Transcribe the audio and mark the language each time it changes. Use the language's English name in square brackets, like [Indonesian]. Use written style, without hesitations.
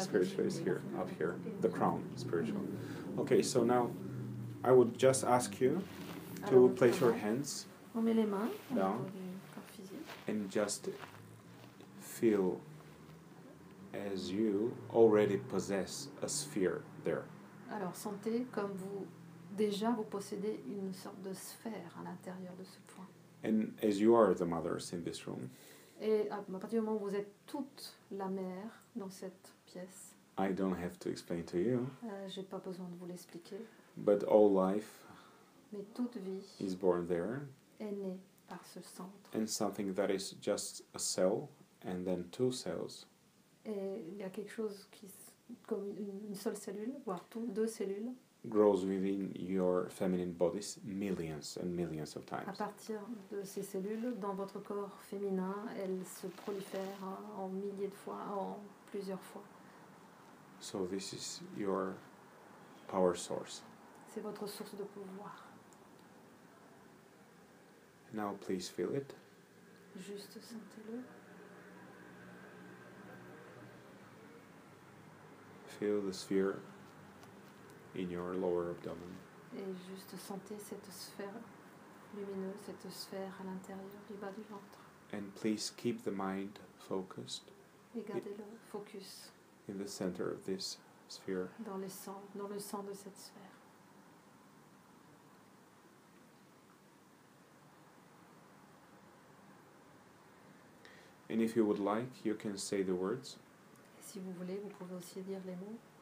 [English] Spiritual is here, up here, the crown, spiritual. Okay, so now. I would just ask you to place your hands [French] On met les mains dans le corps physique. [English] And just feel as you already possess a sphere there. [French] Alors sentez comme vous déjà vous possédez une sorte de sphère à l'intérieur de ce point. [English] And as you are the mothers in this room. [French] Et à partir du moment où vous êtes toute la mère dans cette pièce. [English] I don't have to explain to you. [French] J'ai pas besoin de vous l'expliquer. [English] But all life. [French] Mais toute vie. [English] Is born there. [French] Est née par ce centre. [English] And something that is just a cell, and then two cells. [French] Et il y a quelque chose qui, comme une seule cellule, voire tout, deux cellules. [English] Grows within your feminine bodies millions and millions of times. [French] À partir de ces cellules, dans votre corps féminin, elles se prolifèrent en milliers de fois, en plusieurs fois. [English] So this is your power source. [French] C'est votre source de pouvoir. [English] Now please feel it. [French] Juste sentez-le. [English] Feel the sphere in your lower abdomen. [French] Et juste sentez cette sphère lumineuse, cette sphère à l'intérieur du bas du ventre. [English] And please keep the mind focused. [French] Et gardez-le focus. [English] In the center of this sphere. [French] Dans le centre de cette sphère. [English] And if you would like, you can say the words. [French] Et si vous voulez, vous pouvez aussi dire les mots.